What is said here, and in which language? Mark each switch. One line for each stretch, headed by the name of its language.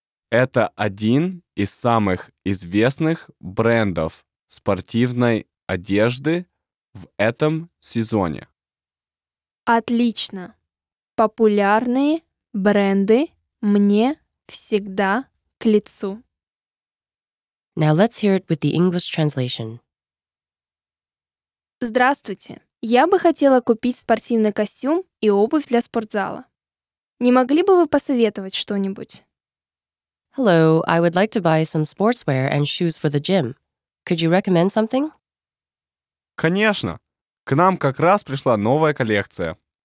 Russian: Это один из самых известных брендов спортивной одежды в этом сезоне. Отлично. Популярные бренды мне всегда к лицу.
English: Now let's hear it with the English translation.
Russian: Здравствуйте. Я бы хотела купить спортивный костюм и обувь для спортзала. Не могли бы вы посоветовать что-нибудь?
English: Hello, I would like to buy some sportswear and shoes for the gym. Could you recommend something?
Russian: Конечно. К нам как раз пришла новая коллекция.